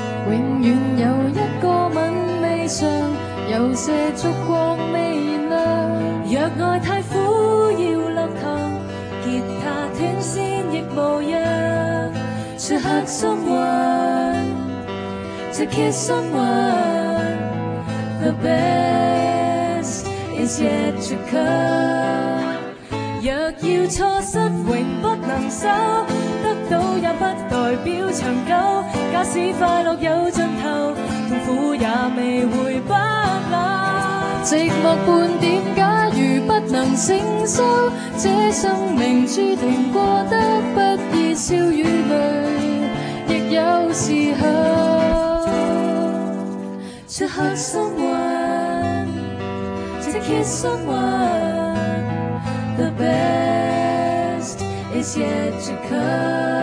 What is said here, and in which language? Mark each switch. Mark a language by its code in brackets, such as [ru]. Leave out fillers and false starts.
[yue] 永远有一个吻未尝，有些烛光未亮。若爱太苦要落糖，吉他断线亦无恙。 [en] To hug someone, to kiss someone. The best is yet to come. [yue] 若要错失永不能收，得到也不代表长久。假使快乐有尽头，痛苦也未会不朽。寂寞半点，假如不能承受，这生命注定过得不易，笑与泪亦有时候。 [en] To hug someone, to kiss someone, the best is yet to come.